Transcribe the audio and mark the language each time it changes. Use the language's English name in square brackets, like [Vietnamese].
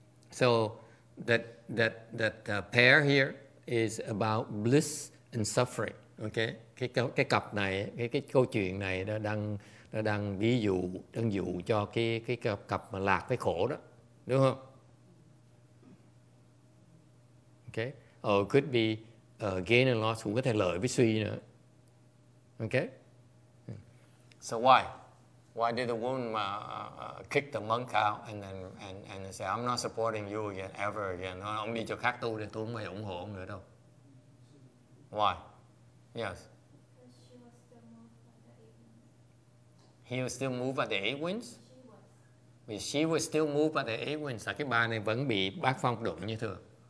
[English] So that pair here is about bliss and suffering. [Vietnamese] Okay, cái cặp này, cái câu chuyện này đang ví dụ, đang dụ cho cái cặp mà lạc với khổ đó, đúng không? [English] Okay, or it could be gain and loss, [Vietnamese] cũng có thể lợi với suy nữa. [English] Okay, so why did the woman kick the monk out and say I'm not supporting you again ever again? [Vietnamese] Ông đi cho khác tu thì tôi không phải ủng hộ ông nữa đâu. [English] Why? Yes. He was still moved by the eight winds. She was still moved by the eight winds. [Vietnamese] Cái bà này vẫn bị bác phong đụng như thường.